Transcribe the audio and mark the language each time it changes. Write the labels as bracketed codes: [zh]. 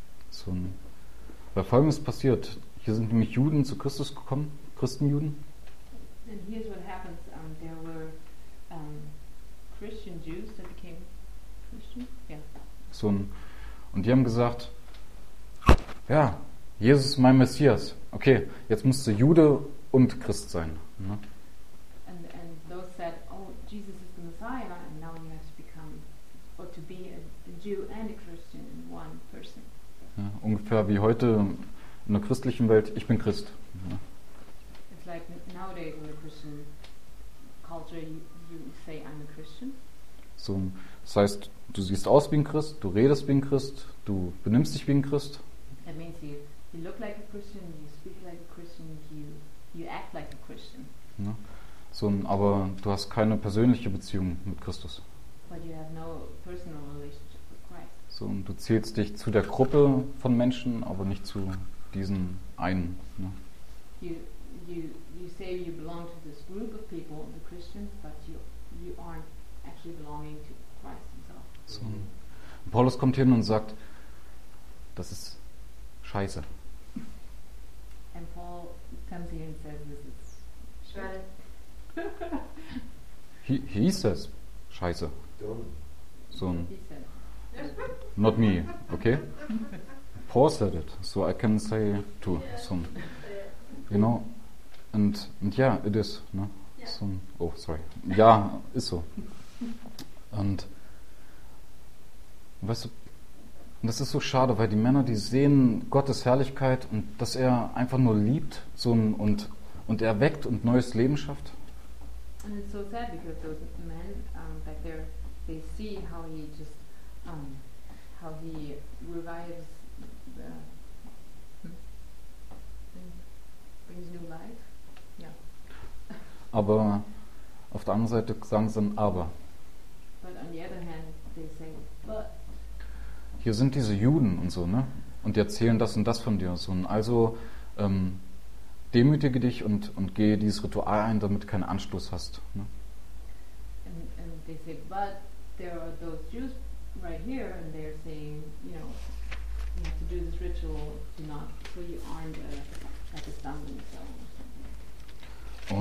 [de] So, weil Folgendes passiert. Hier sind nämlich Juden zu Christus gekommen, Christenjuden. [en] And here's what happens. There were Christian Jews that became Christian. Yeah. [de] So, und die haben gesagt, ja, Jesus ist mein Messias. Okay, jetzt musst du Jude und Christ sein. Ne? [en] And those said, oh, Jesus is the Messiah, and now you have to become, or to be a Jew and a Christian in one person. [de] Ja, ungefähr wie heute in der christlichen Welt, ich bin Christ. Ja. [en] It's like nowadays in the Christian culture, you say I'm a Christian. [de] So, das heißt, du siehst aus wie ein Christ, du redest wie ein Christ, du benimmst dich wie ein Christ. [en] That means you look like a Christian, you speak like a Christian, you act like a Christian. [de] Ja. So, aber du hast keine persönliche Beziehung mit Christus. [en] But you have no personal relationship. [de] So, und du zählst dich zu der Gruppe von Menschen, aber nicht zu diesen einen. Ne? [en] You say you belong to this group of people, the Christians, but you aren't actually belonging to Christ himself. [de] So, Paulus kommt hin und sagt, das ist scheiße. [en] And Paul comes here and says, this is scheiße. He says, scheiße. Don't. So, not me, okay? Paul said it, so I can say to some. You know? And yeah, it is. No? Yeah. [de] So, [en] oh, sorry. [de] Ja, ist so. Und weißt du, das ist so schade, weil die Männer, die sehen Gottes Herrlichkeit und dass er einfach nur liebt so, und er weckt und neues Leben schafft. [en] And it's so sad because those men back there, they see how he just how he revives and brings new life. Yeah. [de] Aber auf der anderen Seite sagen sie ein Aber. [en] But on the other hand they say, but. [de] Hier sind diese Juden und so, ne? Und die erzählen das und das von dir. So. Und also demütige dich und gehe dieses Ritual ein, damit du keinen Anstoß hast. Ne? [en] And they say, but there are those Jews right here and they're saying, you know, you have to do this ritual to not, so you aren't like a stumbling stone.